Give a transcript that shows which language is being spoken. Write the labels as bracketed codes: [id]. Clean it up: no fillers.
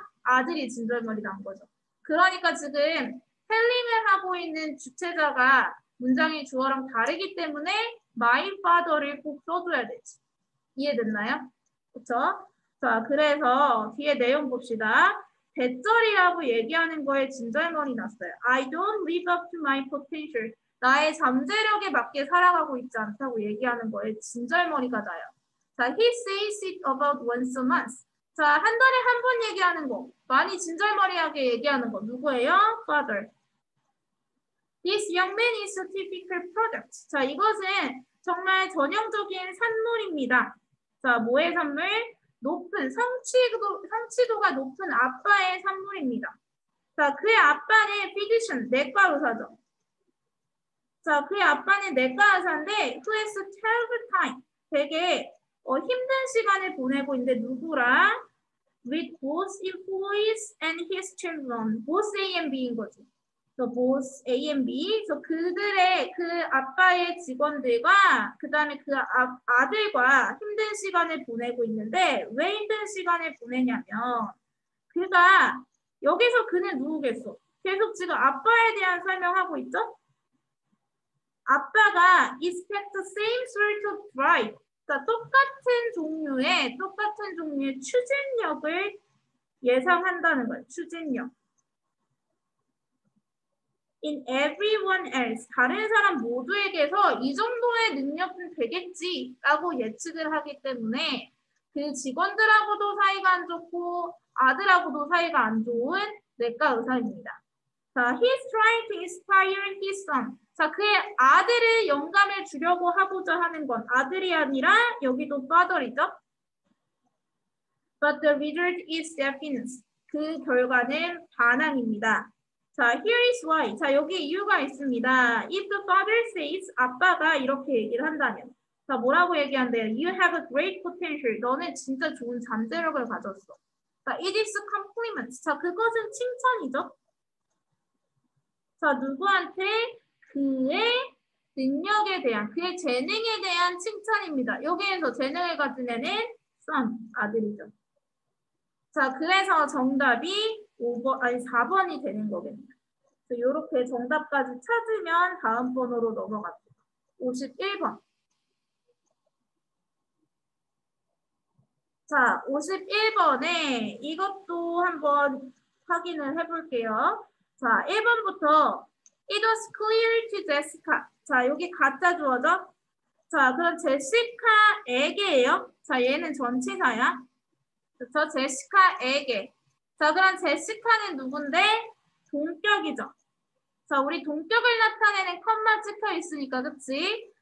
[ko] 아들이 진절머리 난 거죠. 그러니까 지금 텔링을 하고 있는 주체자가 문장의 주어랑 다르기 때문에 my father를 꼭 써줘야 되지. 이해됐나요? 그렇죠? 자, 그래서 뒤에 내용 봅시다. 배터리라고 얘기하는 거에 진절머리 났어요. [en] I don't live up to my potential. [ko] 나의 잠재력에 맞게 살아가고 있지 않다고 얘기하는 거에 진절머리가 나요. [en] 자, he says it about once a month. [ko] 자, 한 달에 한 번 얘기하는 거. 많이 진절머리하게 얘기하는 거. 누구예요? Father. [en] This young man is a typical product. [ko] 자, 이것은 정말 전형적인 산물입니다. 자, 뭐의 산물? 높은, 성취도가 높은 아빠의 산물입니다. 자, 그의 아빠는 physician, 내과 의사죠. 자, 그의 아빠는 내과 의사인데, [en] who has a terrible time. [ko] 되게 힘든 시간을 보내고 있는데, 누구랑? [en] With both employees and his children. Both A and B인 거지. So both A and B. [ko] So 그들의, 그 아빠의 직원들과, 그 다음에 그 아들과 힘든 시간을 보내고 있는데, 왜 힘든 시간을 보내냐면, 그가, 여기서 그는 누구겠어? 계속 지금 아빠에 대한 설명하고 있죠? 아빠가 [en] expect the same sort of drive. [ko] 그러니까 똑같은 종류의 추진력을 예상한다는 거예요. 추진력. [en] In everyone else, [ko] 다른 사람 모두에게서 이 정도의 능력은 되겠지라고 예측을 하기 때문에 그 직원들하고도 사이가 안 좋고 아들하고도 사이가 안 좋은 내과 의사입니다. [en] 자, he's trying to inspire his son. [ko] 자, 그의 아들을 영감을 주려고 하고자 하는 건 아들이 아니라 여기도 father이죠. [en] But the result is deafness. [ko] 그 결과는 반항입니다. 자, [en] here is why. [ko] 자, 여기 이유가 있습니다. [en] If the father says, [ko] 아빠가 이렇게 얘기를 한다면. 자, 뭐라고 얘기한대요? [en] You have a great potential. [ko] 너는 진짜 좋은 잠재력을 가졌어. 자, [en] it is a compliment. [ko] 자, 그것은 칭찬이죠. 자, 누구한테 그의 능력에 대한, 그의 재능에 대한 칭찬입니다. 여기에서 재능을 가진 애는 son, 아들이죠. 자, 그래서 정답이 4번이 되는 거겠네요. 그래서 이렇게 정답까지 찾으면 다음 번으로 넘어갑니다. 51번. 자, 51번에 이것도 한번 확인을 해볼게요. [en] 자, [ko] 1번부터 [en] It was clear to Jessica. [ko] 자, 여기 가짜 주어죠? 자, 그럼 제시카에게예요. 자, 얘는 전치사야. 그렇죠? 제시카에게. 자, 그럼 제시카는 누군데? 동격이죠. 자, 우리 동격을 나타내는 컴마 찍혀 있으니까, 그치?